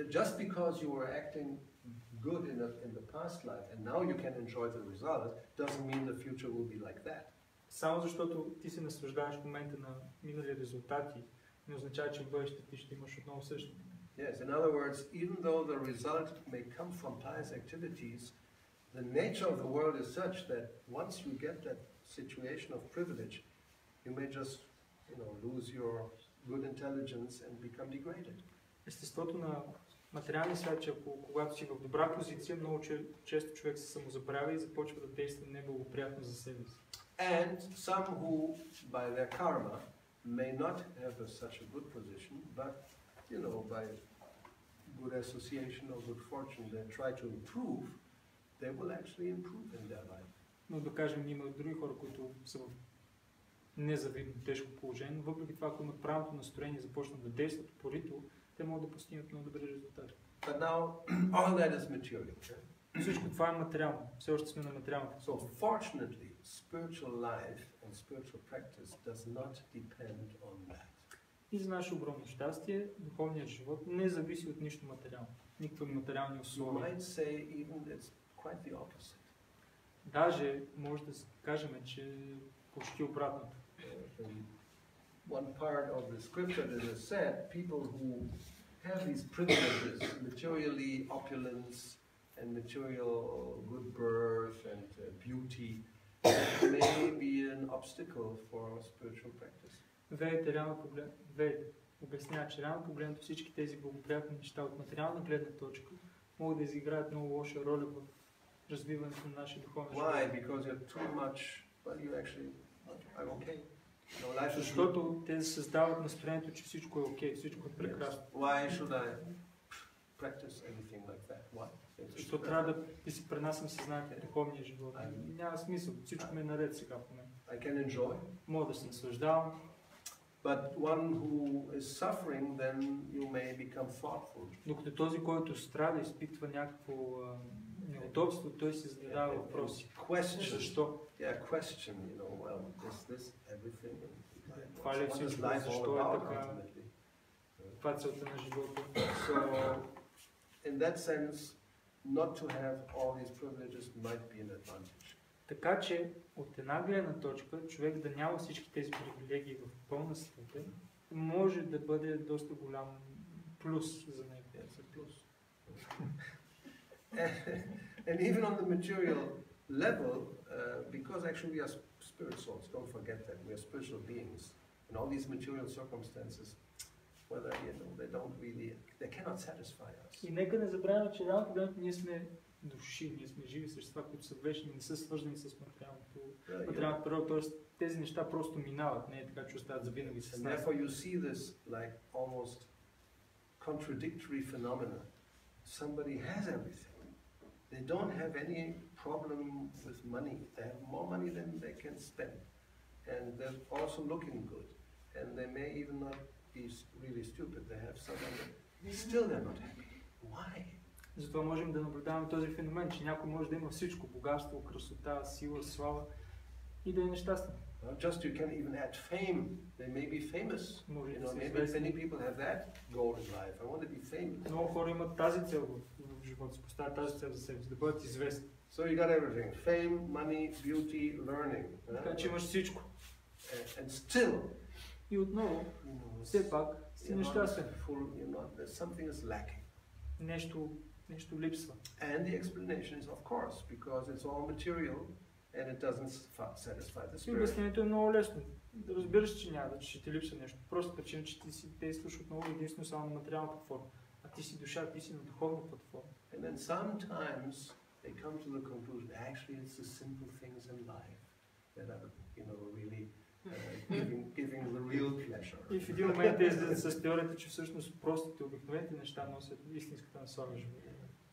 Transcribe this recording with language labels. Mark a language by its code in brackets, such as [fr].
[en] Just because you were acting good in the past life and now you can enjoy the result, doesn't mean the future will be like that. [bg] Само защото ти се наслаждаваш в момента на минали резултати, не означава, че в бъдеще ти ще имаш отново същото. [en] Yes, in other words, even though the result may come from pious activities, the nature of the world is such that once you get that situation of privilege, you may just, you know, lose your good intelligence and become degraded. [bg] Естеството на материалния свят, че когато си в добра позиция, много често човек се самозабравя и започва да действа неблагоприятно за себе си. [en] And some who, by their karma, may not have a, such a good position, but, you know, by good association or good fortune, they try to improve, they will actually improve in their life. [bg] Но да кажем, има други хора, които са в незавидно тежко положение, въпреки това, ако имат правилното настроение, започнат да действат упорито, те могат да постигнат много добри резултати. [en] But now, all that is material. [bg] Всичко това е материално. Все още сме на материалното. [en] So, fortunately, spiritual life and spiritual practice does not depend on that. [bg] И за наше огромно щастие, духовният живот не зависи от нищо материално, никакви материални условия. [en] You might say even it's quite the opposite. [bg] Даже може да кажем, че почти обратното. [en] One part of the scripture that is said, people who have these privileges, materially opulence and material good birth and beauty, may be an obstacle for spiritual practice. [bg] Ведете, реално обяснява, че реално погледнато всички тези благоприятни неща от материална гледна точка могат да изиграят много лоша роля в развиването на нашия духовен живот. [en] Why? Because you're too much, well, you actually, I'm okay. No, life is good. [bg] Те създават настроението, че всичко е окей, всичко е прекрасно. [en] Why should I practice anything like that? Why? [bg] Защо трябва да си пренасям съзнанието, духовния живот? Няма смисъл, всичко ми е наред сега в момента. [en] I can enjoy. [bg] Мога да се наслаждавам. [en] But one who is suffering, then you may become thoughtful. [bg] Докато този, който страда, изпитва някакво неудобство, той се задава въпроси. [en] Question. [bg] Защо? [en] Yeah, question, you know, well, is this everything? [bg] Това ли е всичко? Защо е така? Това е целта на живота. [en] So, in that sense, not to have all these privileges might be an advantage. [bg] Така че от една гледна точка човек да няма всички тези привилегии в пълна степен може да бъде доста голям плюс за него. [en] Yes, a plus. And even on the material level, because actually we are spirit souls, don't forget that, we are spiritual beings, and all these material circumstances, whether, you know, they don't really, they cannot satisfy us. [bg] И нека не забравяме, че няма когато ние сме души, ние сме живи същества, които са вечни, не са свързани с материалното, материалната природа, т.е. тези неща просто минават, не е така, че остават завинаги с нас. [en] And therefore you see this like almost contradictory phenomena. Somebody has everything. They don't have any problem with money. They have more money than they can spend. And they're also looking good. And they may even not be really stupid. They have someone that still they're not happy. Why? [bg] Затова можем да наблюдаваме този феномен, че някой може да има всичко, богатство, красота, сила, слава и да е нещастен. [en] Just you can even add fame. They may be famous. [bg] Може [en] you know, maybe many people have that goal in life. I want to be famous. [bg] Много хора имат тази цел в живота, поставят тази цел за себе си, да бъдат известни. [en] So you got everything. Fame, money, beauty, learning. [bg] Така че имаш всичко. [en] And still. [bg] И отново, все пак си нещастен. [en] Something is lacking. [bg] Нещо липсва. [en] And the explanation is of course because it's all material and it doesn't satisfy the spirit. [bg] Обяснението е много лесно. Разбираш, че няма, че ти липсва нещо. Просто причина, че ти си действаш отново единствено само на материалната форма, а ти си душа, ти си на духовната форма. [en] And then sometimes they come to the conclusion actually it's the simple things in life that are, you know, really giving the real pleasure. [bg] И в един момент те излизат с теорията, че всъщност простите обикновените неща носят истинската насладата в живота.